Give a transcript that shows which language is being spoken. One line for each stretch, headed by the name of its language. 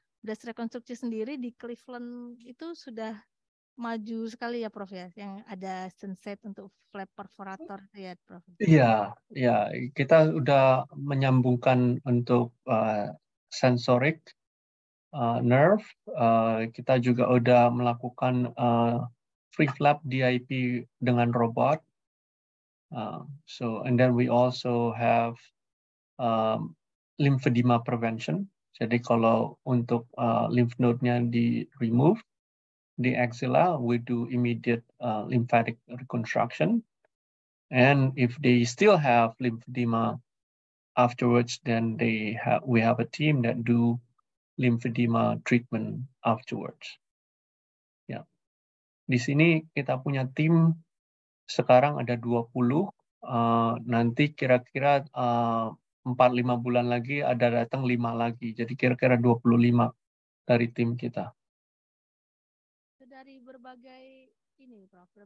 Indonesian: Das rekonstruksi sendiri di Cleveland itu sudah maju sekali ya Prof ya, yang ada sunset untuk flap perforator ya Prof. Iya, ya, kita sudah menyambungkan untuk sensorik nerve, kita juga sudah melakukan free flap DIP dengan robot.
English: So and then we also have lymphedema prevention.
Indonesian: Jadi kalau untuk lymph node-nya di remove di axilla,
English: we do immediate lymphatic reconstruction. And if they still have lymphedema afterwards, then they have we have a team that do lymphedema treatment afterwards. Yeah.
Indonesian: Di sini kita punya tim sekarang ada 20. Nanti kira-kira 4-5 bulan lagi ada datang 5 lagi. Jadi kira-kira 25 dari tim kita. Dari berbagai ini, Prof.